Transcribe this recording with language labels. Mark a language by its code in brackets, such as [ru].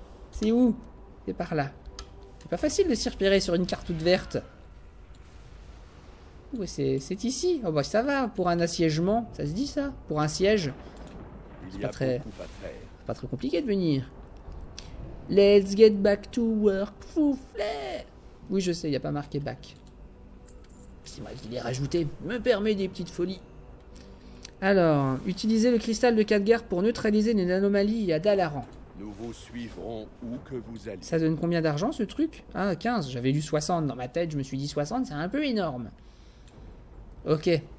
[fr] C'est où? C'est par là. C'est pas facile de s'y repérer sur une carte toute verte. Ouais, c'est ici. Oh bah ça va, pour un assiègement. Ça se dit ça? Pour un siège. C'est pas très compliqué de venir. [en] Let's get back to work, Foufle. [fr] Oui, je sais, y a pas marqué back. C'est moi qui l'ai rajouté. Me permet des petites folies. Alors, utilisez le cristal de Khadgar pour neutraliser les anomalies à Dalaran. Nous vous suivrons où que vous allez. Ça donne combien d'argent ce truc? Ah, 15, j'avais lu 60 dans ma tête, je me suis dit 60, c'est un peu énorme. Ok.